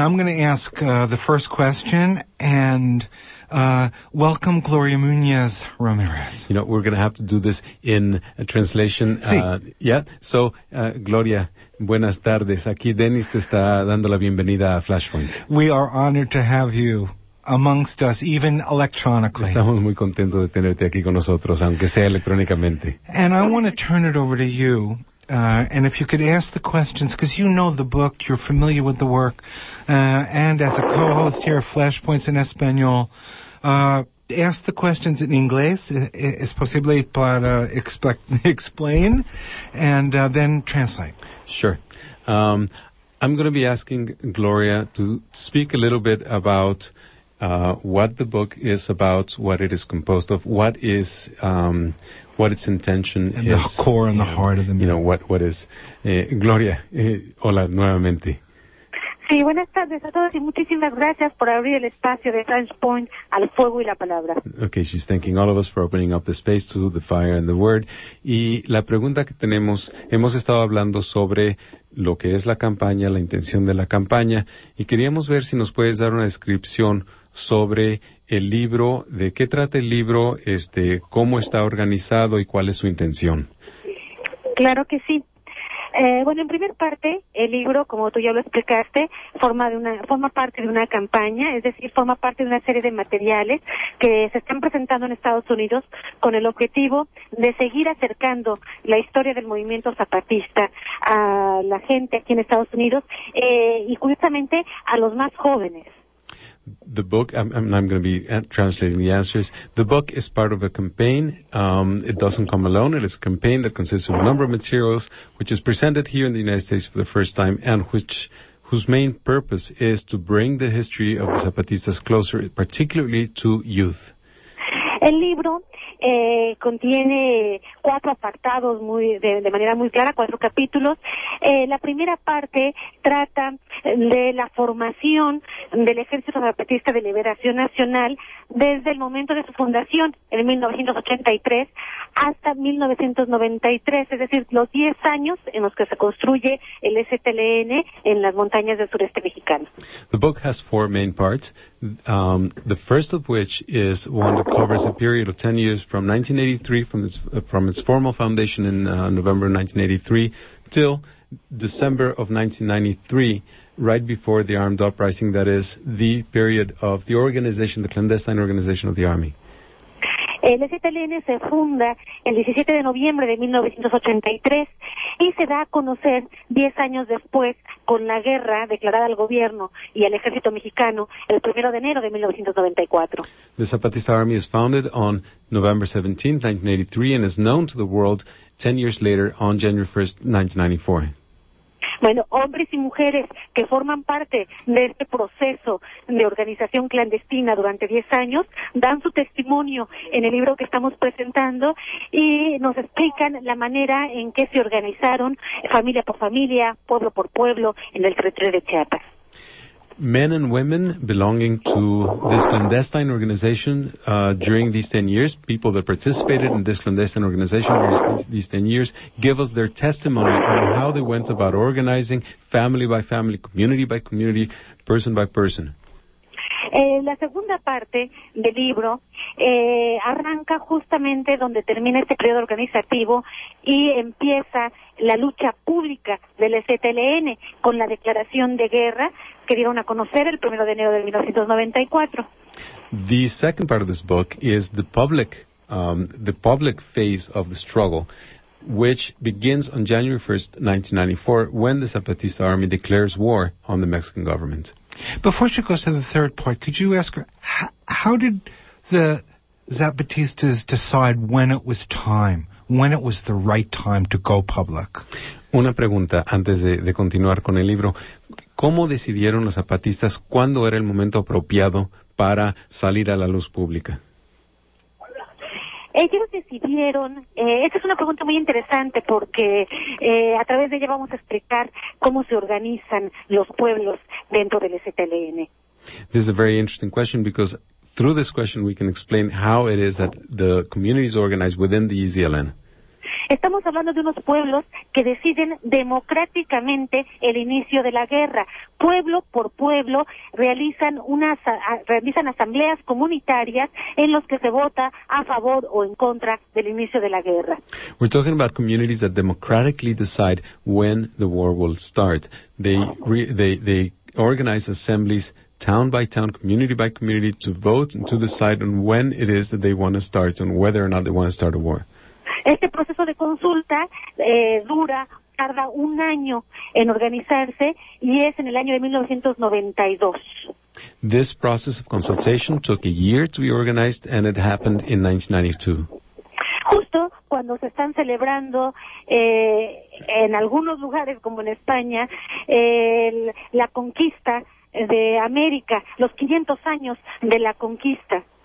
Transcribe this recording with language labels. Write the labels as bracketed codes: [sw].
[en] I'm going to ask the first question, and welcome Gloria Muñoz Ramirez. You know, we're going to have to do this in a translation. [es] Sí. So, Gloria, buenas tardes. Aquí Dennis te está dando la bienvenida a Flashpoint. [en] We are honored to have you amongst us, even electronically. [es] Estamos muy contentos de tenerte aquí con nosotros, aunque sea electrónicamente. [en] And I want to turn it over to you, and if you could ask the questions, because you know the book, you're familiar with the work, and as a co-host here of Flashpoints en Español, ask the questions in [es] inglés, es posible para [en] explain, and then translate. Sure. I'm going to be asking Gloria to speak a little bit about what the book is about, what it is composed of, what is what its intention and is. And the core and the heart of the movement. You know, what is. Gloria, [es] hola nuevamente. Sí, buenas tardes a todos y muchísimas gracias por abrir el espacio de Flashpoint al fuego y la palabra. [en] Okay, she's thanking all of us for opening up the space to the fire and the word. [es] Y la pregunta que tenemos, hemos estado hablando sobre lo que es la campaña, la intención de la campaña, y queríamos ver si nos puedes dar una descripción sobre el libro, de qué trata el libro, cómo está organizado y cuál es su intención. Claro que sí. Bueno, en primer parte, el libro, como tú ya lo explicaste, forma parte de una campaña, es decir, forma parte de una serie de materiales que se están presentando en Estados Unidos con el objetivo de seguir acercando la historia del movimiento zapatista a la gente aquí en Estados Unidos y curiosamente a los más jóvenes. [en] The book, I'm going to be translating the answers. The book is part of a campaign. It doesn't come alone. It is a campaign that consists of a number of materials, which is presented here in the United States for the first time, and whose main purpose is to bring the history of the Zapatistas closer, particularly to youth. [es] El libro contiene cuatro apartados de manera muy clara, cuatro capítulos. La primera parte trata de la formación del Ejército Zapatista de Liberación Nacional desde el momento de su fundación, en 1983, hasta 1993, es decir, los 10 años en los que se construye el STLN en las montañas del sureste mexicano. [en] The book has four main parts, the first of which is one that covers a period of 10 years from 1983, from its formal foundation in November 1983, till December of 1993, right before the armed uprising, that is the period of the organization, the clandestine organization of the army. [es] El STLN se funda el 17 de noviembre de 1983 y se da a conocer 10 años después con la guerra declarada al gobierno y al ejército mexicano el 1 de enero de 1994. [en] The Zapatista Army is founded on November 17, 1983 and is known to the world 10 years later on January 1, 1994. [es] Bueno, hombres y mujeres que forman parte de este proceso de organización clandestina durante 10 años dan su testimonio en el libro que estamos presentando y nos explican la manera en que se organizaron familia por familia, pueblo por pueblo en el territorio de Chiapas. [en] Men and women belonging to this clandestine organization during these 10 years, people that participated in this clandestine organization during these 10 years, give us their testimony on how they went about organizing family by family, community by community, person by person. [es] La segunda parte del libro arranca justamente donde termina este periodo organizativo y empieza la lucha pública del STLN con la declaración de guerra que dieron a conocer el 1 de enero de 1994. [en] The second part of this book is the public phase of the struggle, which begins on January 1st, 1994, when the Zapatista army declares war on the Mexican government. Before she goes to the third part, could you ask her, how did the Zapatistas decide when it was time, when it was the right time to go public? [es] Una pregunta antes de continuar con el libro. ¿Cómo decidieron los Zapatistas cuándo era el momento apropiado para salir a la luz pública? Ellos decidieron, esta es una pregunta muy interesante porque a través de ella vamos a explicar cómo se organizan los pueblos dentro del STLN. [en] This is a very interesting question because through this question we can explain how it is that the communities organize within the EZLN. [es] Estamos hablando de unos pueblos que deciden democráticamente el inicio de la guerra. Pueblo por pueblo realizan asambleas comunitarias en los que se vota a favor o en contra del inicio de la guerra. [en] We're talking about communities that democratically decide when the war will start. They organize assemblies town by town, community by community to vote and to decide on when it is that they want to start and whether or not they want to start a war. [es] Este proceso de consulta tarda un año en organizarse y es en el año de 1992. [en] This process of consultation took a year to be organized and it happened in 1992. [es] Justo cuando se están celebrando en algunos lugares como en España la conquista de América, los 500 años de la conquista.